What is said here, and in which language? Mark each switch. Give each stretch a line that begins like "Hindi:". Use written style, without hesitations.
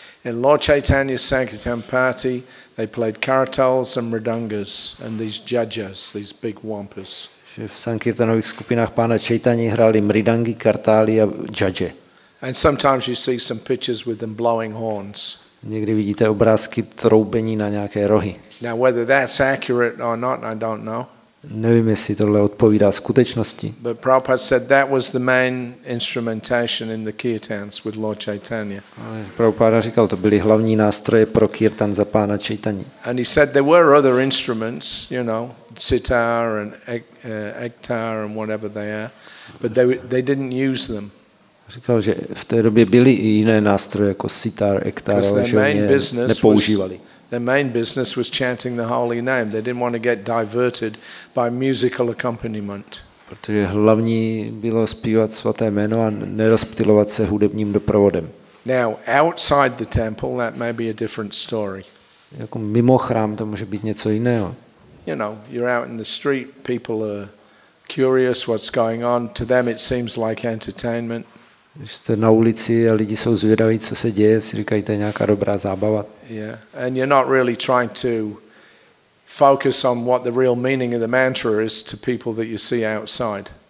English: In Lord Chaitanya's Sankirtan party, they played karatals and mridangas and these jajas, these big wampas.
Czech: Že v sankirtanových skupinách pana Chaitanya hráli mridangy, kartály a jaje.
English: And sometimes you see some pictures with them blowing horns.
Czech: Někdy vidíte obrázky troubení na nějaké rohy.
English: Now whether that's accurate or not, I don't know.
Czech: Nevím, jestli tohle odpovídá skutečnosti.
English: But Prabhupada said that was the main instrumentation in the kirtans with Lord Chaitanya.
Czech: Prabhupada říkal, to byly hlavní nástroje pro kirtan za pána Chaitanyi.
English: And he said there were other instruments, you know, sitar and ektar and whatever they are, but they didn't use them.
Czech: Říkal, že v té době byly i jiné nástroje jako sitar, ektar, ale že oni je nepoužívali.
English: Their main business was chanting the holy name. They didn't want to get diverted by musical accompaniment.
Czech: Protože hlavní bylo zpívat svaté jméno a nerozptylovat se hudebním doprovodem.
English: Now, outside the temple, that may be a different story.
Czech: Jako mimo chrám to může být něco jiného.
English: You know, you're out in the street, people are curious what's going on. To them it seems like entertainment.
Czech: Když jste na ulici a lidi jsou zvědaví, co se děje, si říkají, to je nějaká dobrá zábava.
English: Yeah. And you're not really trying to focus on what the real meaning of the mantra is to people that you see outside.